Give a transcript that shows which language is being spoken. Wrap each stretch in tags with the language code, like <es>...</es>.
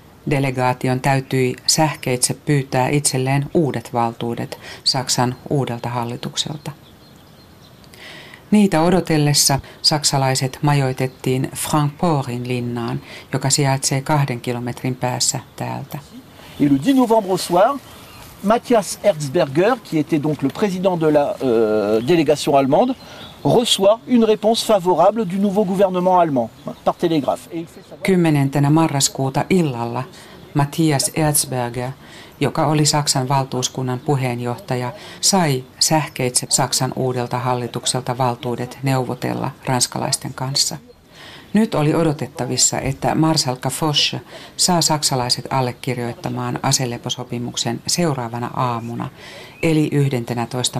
<fi>Delegaation täytyi sähkeitse pyytää itselleen uudet valtuudet Saksan uudelta hallitukselta. Niitä odotellessa saksalaiset majoitettiin Francfortin linnaan, joka sijaitsee 2 kilometrin päässä täältä.</fi> <fr>Et le 10 novembre au soir, Matthias Erzberger, qui était donc le président de la délégation allemande, reçoit une réponse favorable du nouveau gouvernement allemand par télégraphe.</fr> <fi>10. marraskuuta illalla Matthias Erzberger, joka oli Saksan valtuuskunnan puheenjohtaja, sai sähkeitse Saksan uudelta hallitukselta valtuudet neuvotella ranskalaisten kanssa. Nyt oli odotettavissa, että marsalkka Foch saa saksalaiset allekirjoittamaan aseleposopimuksen seuraavana aamuna, eli 11.</fi>